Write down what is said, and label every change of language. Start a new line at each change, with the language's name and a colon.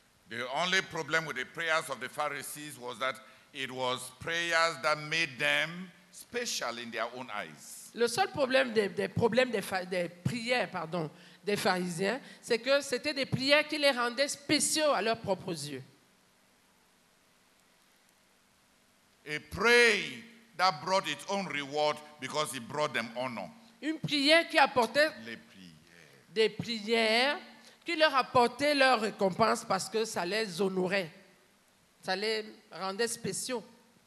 English: The only problem with the prayers of the Pharisees was that it was prayers that made them special in their own eyes.
French: Le seul problème des prières, pardon, des pharisiens, c'est que c'était des prières qui les rendaient spéciaux à leurs propres yeux.
English: A prayer that brought its own reward because it brought them honor.
French: Une prière qui apportait des prières qui leur apportaient leur récompense parce que ça les honorait. Ça les rendait spéciaux.